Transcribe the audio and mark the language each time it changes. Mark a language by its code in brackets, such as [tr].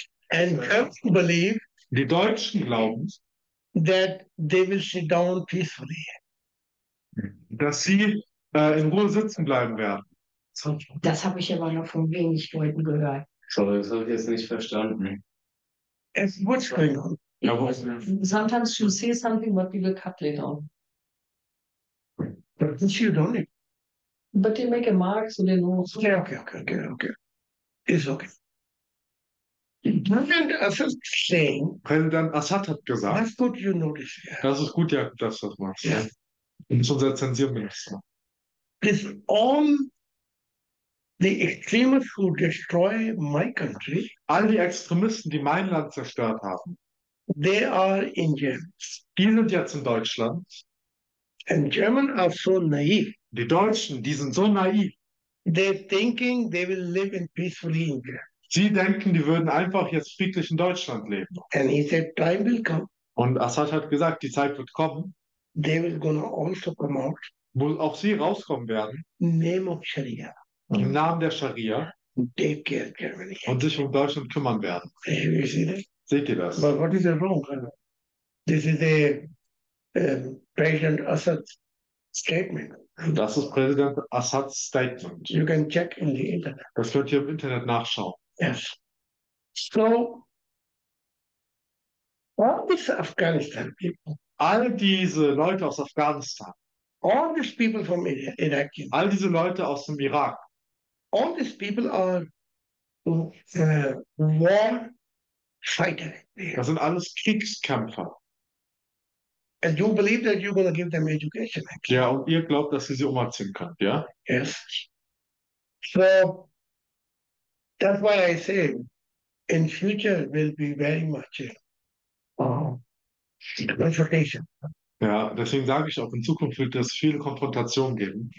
[en] And Germans believe, [de] die Deutschen glauben, [en] that they will sit down peacefully. [de] Dass sie in Ruhe sitzen bleiben werden. Das habe ich aber noch von wenig Leuten gehört. Sorry, das habe ich jetzt nicht verstanden. [en] And what's going on? Sometimes you say something, but people cut later on. But it's you, don't it? But they make a mark, so they know. Okay. It's okay. President Assad saying. [de] Präsident Assad hat gesagt. [en] That's good, you notice. Yeah. [de] Das ist gut, ja, dass du das machst. [en] Yeah. [de] Das ist unser Zensierminister. [en] It's all the extremists who destroy my country. [de] All die Extremisten, die mein Land zerstört haben. [en] They are in Germany. [de] Die sind jetzt in Deutschland. [en] And Germans are so naive. [de] Die Deutschen, die sind so naiv. [en] They're thinking they will live in peacefully in Germany. [de] Sie denken, die würden einfach jetzt friedlich in Deutschland leben. [en] And he said, time will come. [de] Und Assad hat gesagt, die Zeit wird kommen. [en] They will gonna also come out. [de] Wo auch sie rauskommen werden. [en] Name of Sharia. [de] Im Namen der Scharia. [en] They care Germany. [de] Und sich um Deutschland kümmern werden. [en] You see that? [de] Seht ihr das? [en] But what is wrong? This is a President Assad's statement. [de] Das ist Präsident Assads Statement. [en] You can check in the internet. [de] Das könnt ihr im Internet nachschauen. [en] Yes. So, all these Afghanistan people. [de] All diese Leute aus Afghanistan. [en] All these people from Iraq. [de] All diese Leute aus dem Irak. [en] All these people are war fighters. [de] Das sind alles Kriegskämpfer. [en] And you believe that you're going to give them education, actually. [de] Ja, und ihr glaubt, dass ihr sie umerziehen könnt, ja? [en] Yes. So, that's why I say, in future will be very much confrontation. [de] Ja, deswegen sage ich auch, in Zukunft wird es viele Konfrontationen geben.